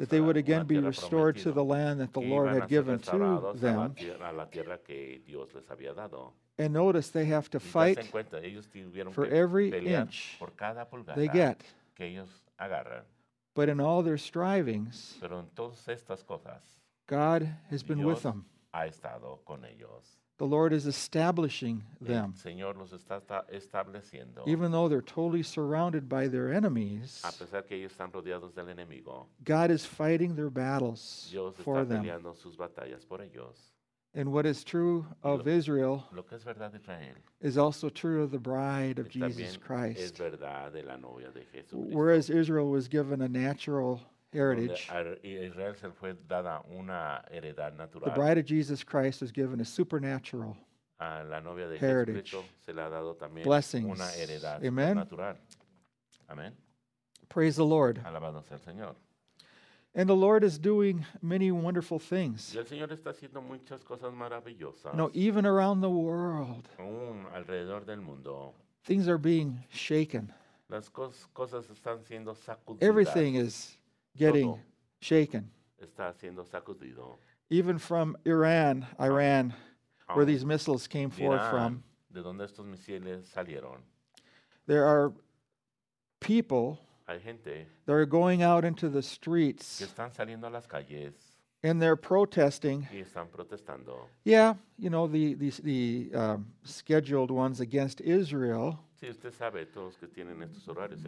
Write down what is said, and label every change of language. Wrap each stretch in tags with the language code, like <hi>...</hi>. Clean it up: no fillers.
<en>that they would again be restored to the land that the Lord had given to them.</en> <es>A la tierra que Dios les había dado.</es> <en>And notice they have to fight</en> <es>cuenta, ellos tuvieron</es> <en>for</en> <es>que</es> <en>every</en> <es>pelear</es> <en>inch</en> <es>por cada pulgada</es> <en>they get.</en> <es>Que ellos agarran.</es> <en>But in all their strivings,</en> <es>Pero en todas estas cosas,</es> <en>God has been</en> <es>Dios</es> <en>with them.</en> <es>Ha estado con ellos.</es> <en>The Lord is establishing them.</en> <es>El Señor los está estableciendo.</es> <en>Even though they're totally surrounded by their enemies,</en> <es>a pesar que ellos están rodeados del enemigo,</es> <en>God is fighting their battles</en> <es>Dios está</es> <en>for them.</en> <es>Peleando sus batallas por ellos.</es> <en>And what is true of Israel,</en> <es>lo que es verdad de Israel</es> <en>is also true of the bride of Jesus Christ.</en> <es>Es verdad de la novia de Jesucristo.</es> <en>Whereas Israel was given a natural heritage.</en> <es>Israel se fue dada una heredad natural.</es> <en>The bride of Jesus Christ is given a supernatural</en> <es>a la novia de</es> <en>heritage.</en> <es>Se le ha dado también</es> <en>blessings.</en> <es>Una heredad Amen. Natural. Amen.</es> <en>Praise the Lord.</en> <es>Alabado sea el Señor.</es> <en>And the Lord is doing many wonderful things.</en> <es>Y el Señor está haciendo muchas cosas maravillosas.</es> <en>No, even around the world.</en> <es>Alrededor del mundo.</es> <en>Things are being shaken.</en> <es>Las cosas están siendo sacudidas.</es> <en>Everything is getting</en> <es>Todo</es> <en>shaken.</en> <es>Está siendo sacudido.</es> <en>Even from Iran, where these missiles came forth from.</en> <es>De donde estos misiles salieron.</es> <en>There are people they are going out into the streets</en> <es>que están saliendo a las calles</es> <en>and they're protesting.</en> <es>Y están protestando.</es> <en>Yeah, you know, the scheduled ones against Israel.</en> <es>Sí, usted sabe, todos que tienen estos horarios</es>